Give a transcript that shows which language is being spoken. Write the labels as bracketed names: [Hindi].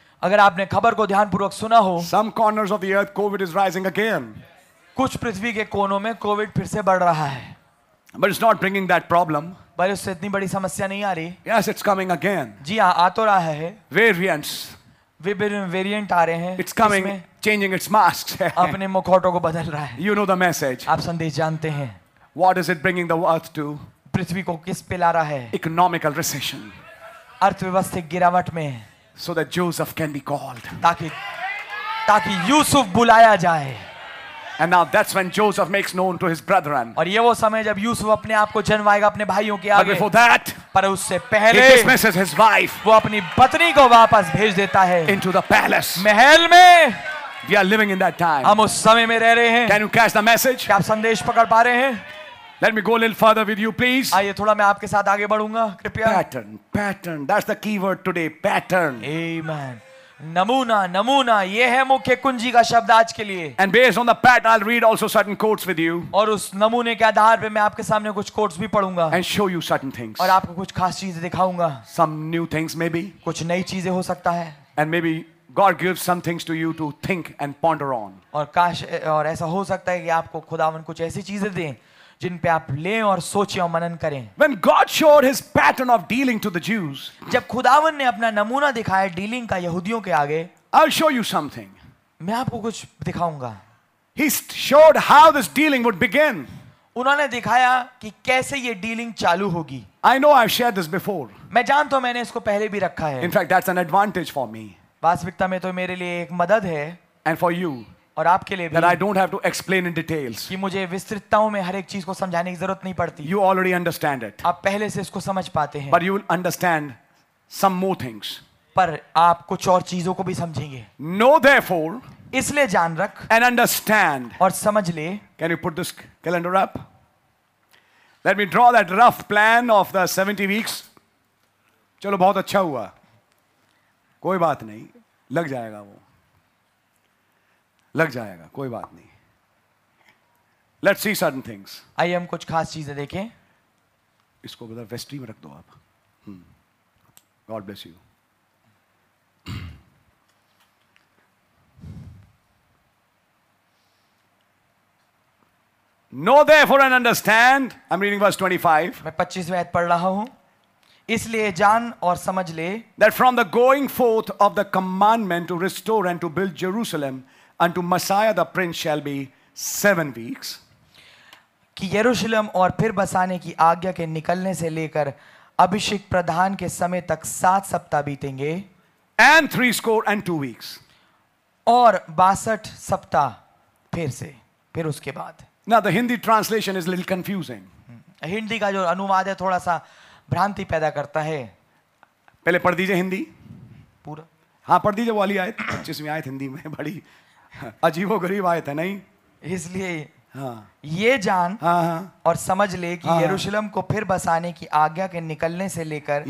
[Hindi] अगर आपने खबर को ध्यानपूर्वक सुना हो, [English] some corners of the earth COVID is rising again. [Hindi] कुछ पृथ्वी के कोनों में COVID फिर से बढ़ रहा है. [English] But it's not bringing that problem. [Hindi] पर उससे इतनी बड़ी समस्या नहीं आ रही. [English] Yes, it's coming again. [Hindi] जी हाँ, आ तो रहा है. [English] Variants. [Hindi] विभिन्न वेरिएंट आ रहे हैं. [English] It's coming. Changing its masks. [Hindi] अपने मुखौटों को बदल रहा है. [English] You know the message. [Hindi] आप संदेश जानते हैं. [English] What is it bringing the earth to? [Hindi] पृथ्वी को किस पे ला रहा है? [English] Economical recession. [Hindi] अर्थव्यवस्थिक गिरावट में. [English] So that Joseph can be called. [Hindi] ताकि यूसुफ बुलाया जाए. [English] And now that's when Joseph makes known to his brethren. [Hindi] और ये वो समय जब यूसुफ अपने आप को जनवाएगा अपने भाइयों के आगे. [English] But before that, [Hindi] पर उससे पहले, [English] he dismisses his wife. [Hindi] वो अपनी पत्नी को वापस भेज देता है. [English] Into the palace. [Hindi] महल में. [English] We are living in that time. [Hindi] हम उस समय में रह रहे हैं. [English] Can you catch the message? [Hindi] क्या आप संदेश पकड़ पा रहे हैं? [English] Let me go a little further with you, please. [Hindi] आइए थोड़ा मैं आपके साथ आगे बढ़ूंगा कृपया. [English] Pattern. That's the keyword today. Pattern. Amen. [Hindi] नमूना ये है मुख्य कुंजी का शब्द आज के लिए. [English] And based on the pattern, I'll read also certain quotes with you. [Hindi] और उस नमूने के आधार पे मैं आपके सामने कुछ quotes भी पढ़ूंगा. [English] And show you certain things. [Hindi] और आपको कुछ खास चीजें दिखाऊंगा. [English] Some new things maybe. [Hindi] कुछ नई चीजें हो सकता है. [English] And maybe God gives some things to you to think and ponder on. [Hindi] और काश और ऐसा हो सकता है कि आपको खुदावन कुछ ऐसी चीजें दें जिन पे आप लें और सोचें और मनन करें. [English] When God showed His pattern of dealing to the Jews, [Hindi] जब खुदावन ने अपना नमूना दिखाया डीलिंग का यहूदियों के आगे, [English] I'll show you something. [Hindi] मैं आपको कुछ दिखाऊंगा. [English] He showed how this dealing would begin. [Hindi] उन्होंने दिखाया कि कैसे ये डीलिंग चालू होगी. [English] I know I've shared this before. [Hindi] मैं जानता हूँ मैंने इसको पहले भी रखा है. [English] In fact, that's an advantage for me. [Hindi] वास्तविकता में तो मेरे लिए एक मदद है. [English] And for you. [Hindi] और आपके लिए भी. [English] That I don't have to explain in details. [Hindi] कि मुझे विस्तृतताओं में हर एक चीज को समझाने की जरूरत नहीं पड़ती. [English] You already understand it. [Hindi] आप पहले से इसको समझ पाते हैं. [English] But you will understand some more things. [Hindi] पर आप कुछ और चीजों को भी समझेंगे. [English] Know therefore. [Hindi] इसलिए जान रख. [English] And understand. [Hindi] और समझ ले. [English] Can you put this calendar up? Let me draw that rough plan of the 70 weeks. [Hindi] चलो बहुत अच्छा हुआ, कोई बात नहीं, लग जाएगा वो, लग जाएगा, कोई बात नहीं. [English] Let's see certain things. [Hindi] आइए हम कुछ खास चीजें देखें. इसको ब्रदर वेस्ट्री में रख दो आप. [English] God bless you. Know therefore and understand. I'm reading verse 25. [Hindi] मैं 25वें आयत पढ़ रहा हूँ. इसलिए जान और समझ ले. [English] That from the going forth of the commandment to restore and to build Jerusalem unto Messiah the Prince shall be 7 weeks. [Hindi] कि यरूशलेम और फिर बसाने की आज्ञा के निकलने से लेकर अभिषेक प्रधान के समय तक 7 सप्ताह बीतेंगे. [English] And 3 score and 2 weeks. [Hindi] और 62 सप्ताह फिर से, फिर उसके बाद. [English] Now the Hindi translation is a little confusing. [Hindi] Hindi का जो अनुवाद है थोड़ा सा भ्रांति पैदा करता है. पहले पढ़ दीजिए हिंदी पूरा. हाँ पढ़ दीजिए वाली आयत, जिसमें आयत हिंदी में बड़ी अजीबो गरीब आयत है. नहीं इसलिए ये जान और समझ ले कि यरूशलेम को फिर बसाने की आज्ञा के निकलने से लेकर